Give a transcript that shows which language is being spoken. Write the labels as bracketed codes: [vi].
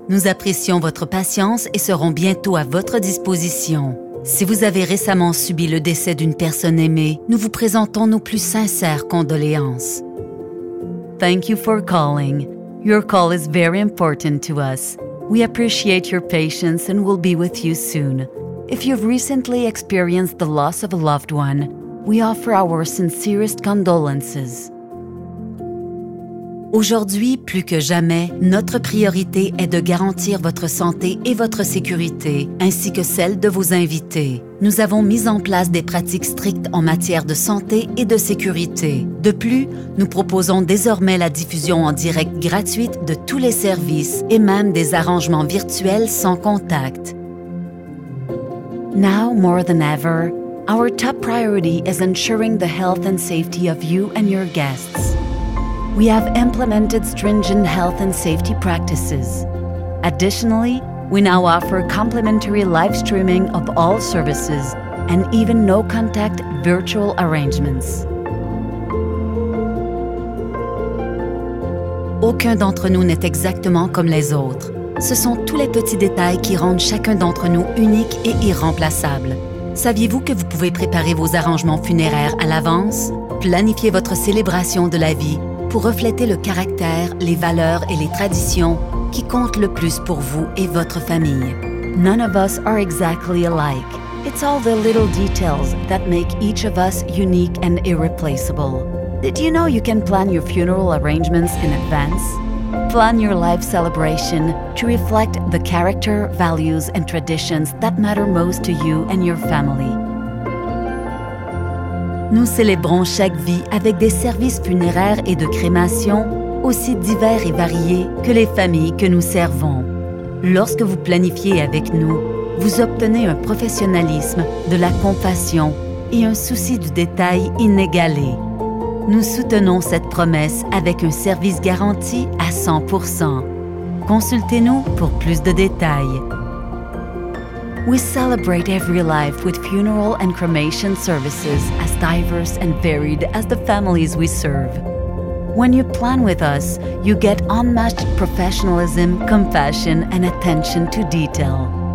[fr] Nous apprécions votre patience et serons bientôt à votre disposition. Si vous avez récemment subi le décès d'une personne aimée, nous vous présentons nos plus sincères condoléances. [en] Thank you for calling. Your call is very important to us. We appreciate your patience and will be with you soon. If you've recently experienced the loss of a loved one, we offer our sincerest condolences. [fr] Aujourd'hui, plus que jamais, notre priorité est de garantir votre santé et votre sécurité, ainsi que celle de vos invités. Nous avons mis en place des pratiques strictes en matière de santé et de sécurité. De plus, nous proposons désormais la diffusion en direct gratuite de tous les services et même des arrangements virtuels sans contact. [en] Now more than ever, our top priority is ensuring the health and safety of you and your guests. We have implemented stringent health and safety practices. Additionally, we now offer complimentary live streaming of all services and even no-contact virtual arrangements. [fr] Aucun d'entre nous n'est exactement comme les autres. Ce sont tous les petits détails qui rendent chacun d'entre nous unique et irremplaçable. Saviez-vous que vous pouvez préparer vos arrangements funéraires à l'avance? Planifier votre célébration de la vie pour refléter le caractère, les valeurs et les traditions qui comptent le plus pour vous et votre famille. [en] None of us are exactly alike. It's all the little details that make each of us unique and irreplaceable. Did you know you can plan your funeral arrangements in advance? Plan your life celebration to reflect the character, values, and traditions that matter most to you and your family. [fr] Nous célébrons chaque vie avec des services funéraires et de crémation aussi divers et variés que les familles que nous servons. Lorsque vous planifiez avec nous, vous obtenez un professionnalisme, de la compassion et un souci du détail inégalé. Nous soutenons cette promesse avec un service garanti à 100%. Consultez-nous pour plus de détails. [en] We celebrate every life with funeral and cremation services as diverse and varied as the families we serve. When you plan with us, you get unmatched professionalism, compassion, and attention to detail.